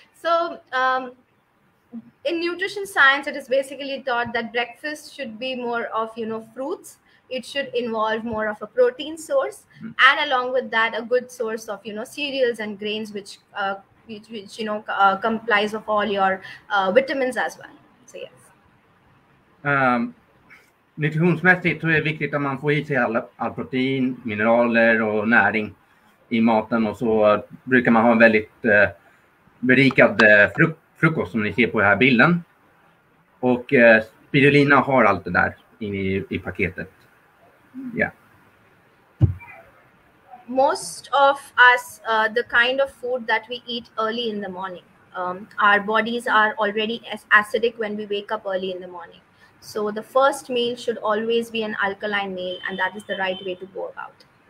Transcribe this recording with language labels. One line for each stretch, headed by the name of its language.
English: So, in nutrition science, it is basically taught that breakfast should be more of, you know, fruits. It should involve more of a protein source, and along with that, a good source of, you know, cereals and grains, which you know, complies of all your vitamins as well. So yes.
Swedish: Nutritionsmässigt så är det viktigt att man får i sig all protein, mineraler och näring i maten, och så brukar man ha en väldigt berikad frukost som ni ser på den här bilden. Och spirulina har allt det där i paketet.
English: Yeah. Most of us, the kind of food that we eat early in the morning, our bodies are already acidic when we wake up early in the morning. So the first meal should always be an alkaline meal, and that is the right way to go about.